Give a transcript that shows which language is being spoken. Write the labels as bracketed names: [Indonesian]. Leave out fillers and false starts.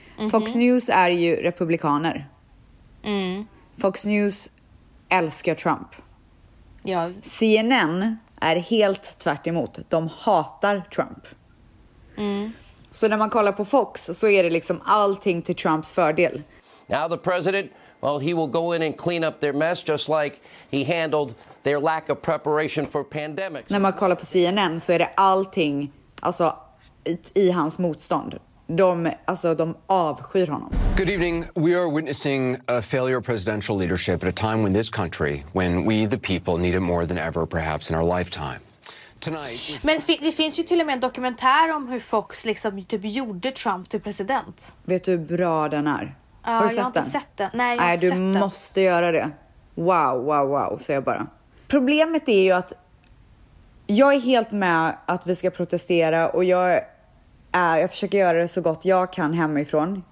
[Swedish] Fox News är ju republikaner. Fox News älskar Trump. Ja. CNN är helt tvärt emot. De hatar Trump. Så när man kollar på Fox så är det liksom allting till Trumps fördel. [English] Now the president, well, he will go in and clean up their mess just like he handled their lack of preparation for pandemics. [Swedish] När man kollar på CNN så är det allting, alltså i hans motstånd. De avskyr honom. [English] Good evening. We are witnessing a failure of presidential leadership at a time when this country, when we the people need it more than ever perhaps in our lifetime. Tonight. [Swedish] Men det finns ju till och med en dokumentär om hur Fox liksom typ gjorde Trump till president. Vet du hur bra den är? Har du sett den? Nej, jag har inte sett den. Nej, du måste göra det. Wow, säger jag bara. Problemet är ju att jag är helt med att vi ska protestera och jag försöker göra det så gott jag kan hemifrån.